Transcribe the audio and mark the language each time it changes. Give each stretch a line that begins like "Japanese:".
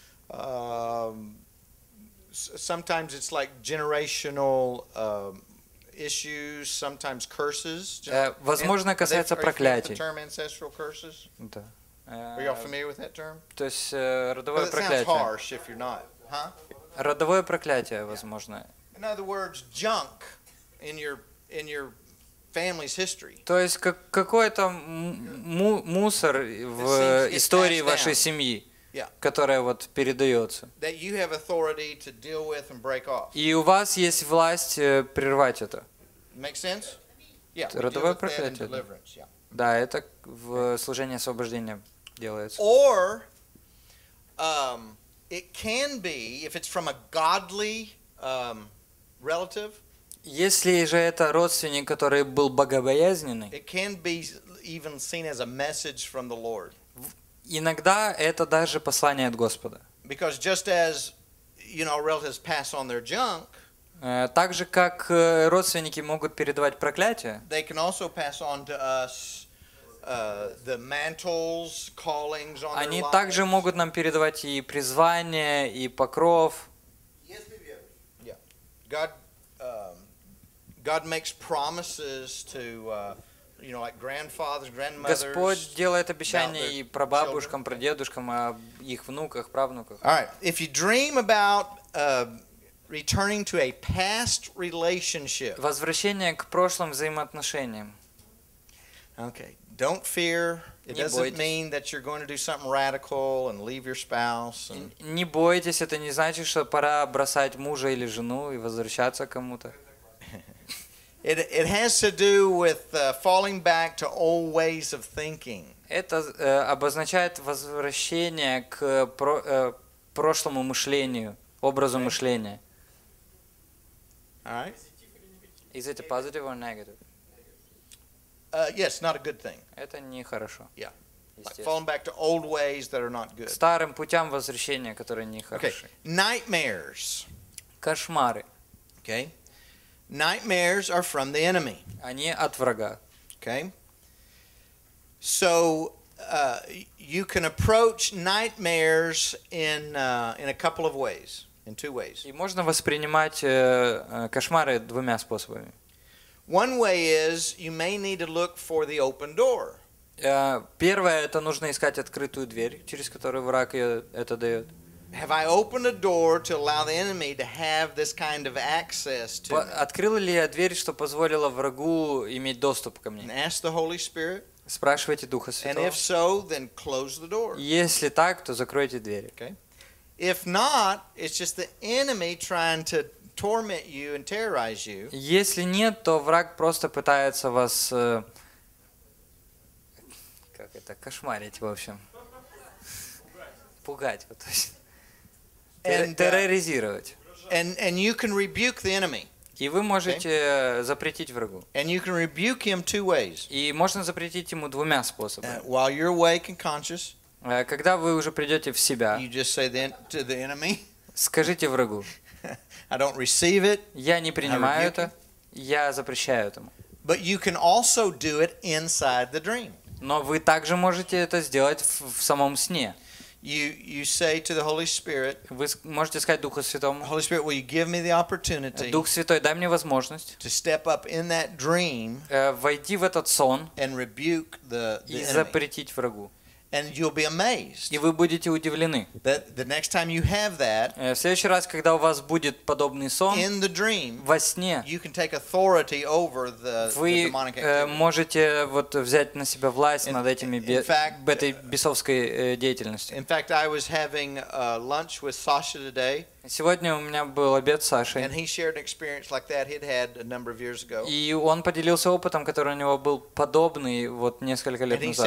English: Sometimes it's like generational issues. Sometimes curses.
Russian: Возможно, касается проклятий.
English: The term ancestral curses.
Russian: Да.
English: Are you all familiar with that term?
Russian: То есть родовое проклятие.
English: That sounds harsh if you're not, huh?
Russian: Родовое проклятие, возможно.
English: In other words, junk in your family's history.
Russian: То есть какой-то мусор в истории вашей семьи, которая вот передается.
English: That you have authority to deal with and break off.
Russian: И у вас есть власть прервать это.
English: Make sense? Yeah.
Russian: Родовое проклятие. Да, это в служении освобождения делается.
English: Or it can be if it's from a godly relative.
Russian: Если же это родственник, который был богобоязненный.
English: It can be even seen as a message from the Lord.
Russian: Иногда это даже послание от Господа.
English: Because just as you know, relatives pass on their junk.
Russian: Так же как родственники могут передавать проклятие.
English: They can also pass on to us. The mantles, callings on their
Russian: Они также могут нам передавать и призвание, и покров. Господь делает обещания и прабабушкам, прадедушкам, о их внуках, правнуках.
English: All right. If you dream about returning to a past relationship.
Russian: Возвращение к прошлым взаимоотношениям.
English: Okay. Don't fear. It doesn't mean that you're going to do something radical and leave your spouse.
Russian: Не бойтесь, это не значит, что пора бросать мужа или жену и возвращаться к кому-то.
English: It has to do with falling back to old ways of thinking.
Russian: Это обозначает возвращение к прошлому мышлению, образу мышления.
English: All right. Is it a positive or negative? Yes, not a good thing.
Russian: Это нехорошо.
English: Yeah. Like falling back to old ways that are not good.
Russian: Старым путям возвращения, которые нехороши.
English: Okay. Nightmares.
Russian: Кошмары.
English: Okay. Nightmares are from the enemy.
Russian: Они от врага.
English: Okay. So you can approach nightmares in a couple of ways, in two ways.
Russian: И можно воспринимать кошмары двумя способами.
English: One way is you may need to look for the open door.
Russian: Первое, это нужно искать открытую дверь, через которую враг это дает.
English: Have I opened a door to allow the enemy to have this kind of access to?
Russian: Открыла ли я дверь, что позволила врагу иметь доступ ко мне?
English: And ask the Holy Spirit.
Russian: Спрашивайте Духа Святого.
English: And if so, then close the door.
Russian: Если так, то закройте дверь.
English: Okay. If not, it's just the enemy trying to torment you and terrorize you.
Russian: Если нет, то враг просто пытается вас как это кошмарить, в общем, пугать, вот, терроризировать.
English: And you can rebuke the enemy.
Russian: И вы можете запретить врагу.
English: And you can rebuke him two ways.
Russian: И можно запретить ему двумя способами.
English: While you're awake and conscious.
Russian: Когда вы уже придете в себя.
English: You just say then to the enemy.
Russian: Скажите врагу.
English: I don't receive it.
Russian: Я не принимаю это. Я запрещаю этому.
English: But you can also do it inside the dream.
Russian: Но вы также можете это сделать в самом сне.
English: You say to the Holy Spirit.
Ukrainian: Ви можете сказати Духу Святому.
English: Holy Spirit, will you give me the opportunity?
Ukrainian: Дух Святий, дай мені можливість.
English: To step up in that dream.
Russian: Войти в этот сон.
English: And rebuke the enemy.
Ukrainian: І запретіть ворогу.
English: And you'll be amazed.
Ukrainian: І ви будете удивлені.
English: That the next time you have that.
Russian: В следующий раз, когда у вас будет подобный сон.
English: In the dream.
Russian: Во сне.
English: You can take authority over the demonic activity.
Russian: Ви можете вот взять на себя власть над этими этой бесовской деятельностью.
English: In fact, I was having lunch with Sasha today.
Russian: Сегодня у меня был обед с Сашей.
English: And he shared an experience like that he'd had a number of years ago.
Russian: И он поделился опытом, который у него был подобный вот несколько лет назад.